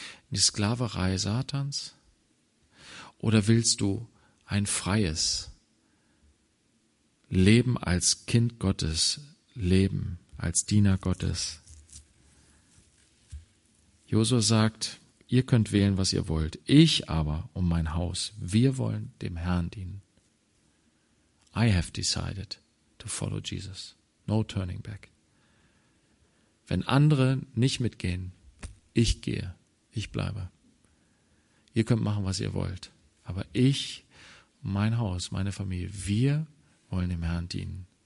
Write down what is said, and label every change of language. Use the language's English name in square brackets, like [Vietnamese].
[German] In die Sklaverei Satans? Oder willst du ein freies Leben als Kind Gottes leben, als Diener Gottes? Josua sagt, ihr könnt wählen, was ihr wollt. Ich aber und mein Haus, wir wollen dem Herrn dienen. [English] I have decided to follow Jesus. No turning back. [German] Wenn andere nicht mitgehen, ich gehe, ich bleibe. Ihr könnt machen, was ihr wollt. Aber ich, mein Haus, meine Familie, wir wollen dem Herrn dienen.